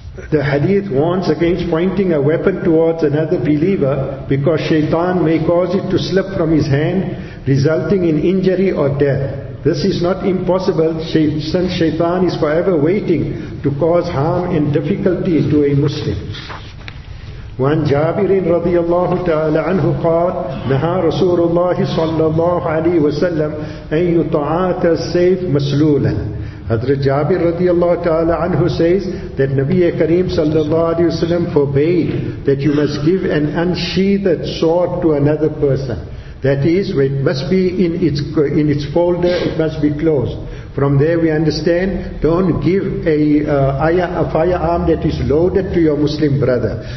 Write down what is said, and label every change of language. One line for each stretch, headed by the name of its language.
English: The hadith warns against pointing a weapon towards another believer, because shaitan may cause it to slip from his hand, resulting in injury or death. This is not impossible, since shaitan is forever waiting to cause harm and difficulty to a Muslim.
Arabic: وعن جابر رضي الله تعالى عنه قال نهى رسول الله صلى الله عليه وسلم أن يطعات السيف مسلولا.
English: Hazrat Jabir radiyallahu ta'ala anhu says that Nabi Kareem sallallahu alayhi wa sallam forbade that you must give an unsheathed sword to another person. That is, it must be in its folder, it must be closed. From there we understand, don't give a firearm that is loaded to your Muslim brother.